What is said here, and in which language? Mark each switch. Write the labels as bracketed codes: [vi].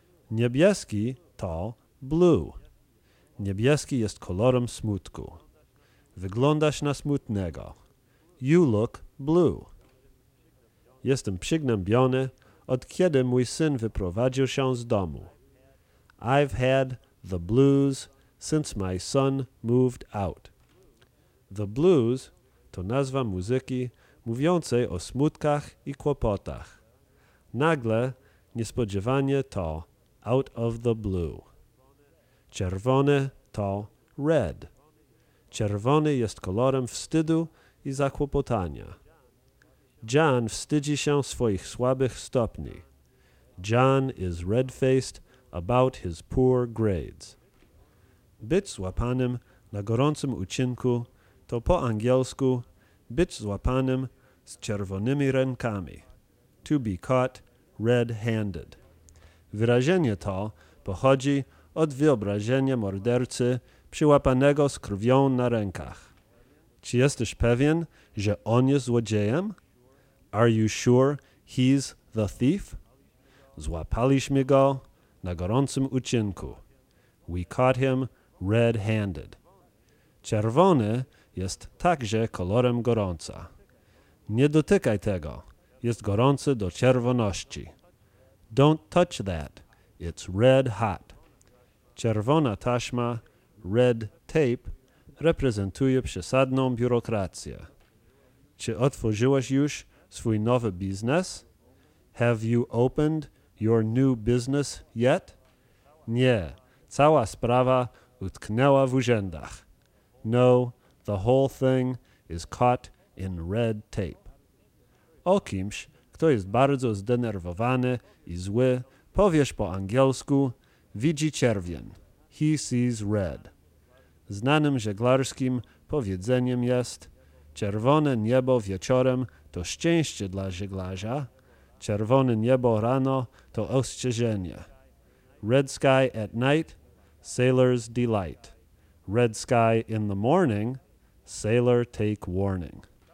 [pl] Niebieski to blue. Niebieski jest kolorem smutku. Wyglądasz na smutnego. [en] You look blue. [pl] Jestem przygnębiony, od kiedy mój syn wyprowadził się z domu. [en] I've had the blues since my son moved out. [pl] The blues to nazwa muzyki mówiącej o smutkach i kłopotach. Nagle, niespodziewanie to [en] out of the blue. [pl] Czerwony to red. Czerwony jest kolorem wstydu i zakłopotania. John wstydzi się swoich słabych stopni. [en] John is red-faced about his poor grades. [pl] Być złapanym na gorącym uczynku to po angielsku być złapanym z czerwonymi rękami. [en] To be caught red-handed. [pl] Wyrażenie to pochodzi od wyobrażenia mordercy przyłapanego z krwią na rękach. Czy jesteś pewien, że on jest złodziejem? [en] Are you sure he's the thief? [pl] Złapaliśmy go na gorącym uczynku. [en] We caught him red-handed. [pl] Czerwony jest także kolorem gorąca. Nie dotykaj tego. Jest gorący do czerwoności. [en] Don't touch that. It's red hot. [pl] Czerwona taśma, [en] red tape, [pl] reprezentuje przesadną biurokrację. Czy otworzyłeś już swój nowy biznes? [en] Have you opened your new business yet? [pl] Nie, cała sprawa utknęła w urzędach. [en] No, the whole thing is caught in red tape. [pl] O kimś, kto jest bardzo zdenerwowany i zły, powiesz po angielsku, widzi czerwień. [en] He sees red. [pl] Znanym żeglarskim powiedzeniem jest: czerwone niebo wieczorem to szczęście dla żeglarza, czerwone niebo rano to ostrzeżenie. [en] Red sky at night, sailor's delight. Red sky in the morning, sailor take warning.